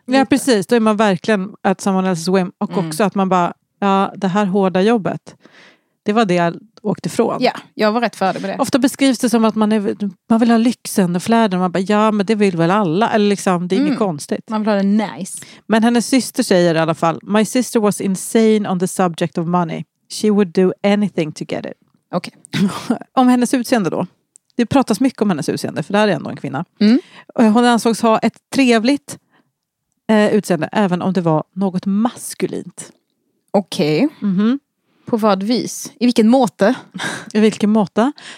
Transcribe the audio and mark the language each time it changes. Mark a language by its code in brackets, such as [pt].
[sv] Ja, lite. Precis. Då är man verkligen att [en] someone else's whim. [sv] Och också att man bara, ja, det här hårda jobbet. Det var det jag åkte ifrån. Ja, jag var rätt färdig med det. Ofta beskrivs det som att man vill ha lyxen och fläder. Man bara, ja, men det vill väl alla. Eller liksom, det är inget konstigt. Man vill ha det nice. Men hennes syster säger i alla fall, [en] my sister was insane on the subject of money. She would do anything to get it. [sv] Okej. Okay. Om hennes utseende då. Det pratas mycket om hennes utseende, för det här är ändå en kvinna. Mm. Hon ansågs ha ett trevligt utseende, även om det var något maskulint. Okej. Okay. Mm-hmm. På vad vis? I vilken måte? I vilken måte?